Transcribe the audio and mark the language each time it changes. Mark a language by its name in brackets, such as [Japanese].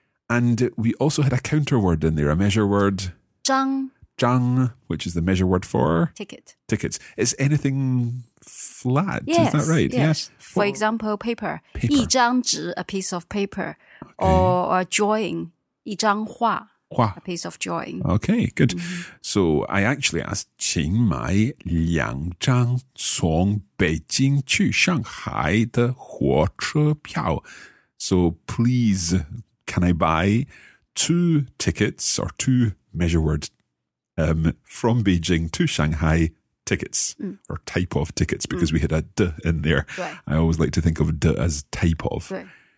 [English] And we also had a counter word in there, a measure word. [Chinese] 张. [English] 张, which is the measure word for? Ticket. Tickets. It's anything flat, yes, is that right? Yes. Yeah. For example, paper. [Chinese] 一张纸, [English] a piece of paper. Okay. Or a drawing, [Chinese] 一张画. quoi? [English] A piece of drawing. Okay, good. Mm-hmm. So I actually asked, [Chinese] 请买两张从北京去上海的火车票。 [English] So please, can I buy two tickets or two measure word from Beijing to Shanghai tickets or type of tickets because we had a d in there. Right. I always like to think of d as type of. Right.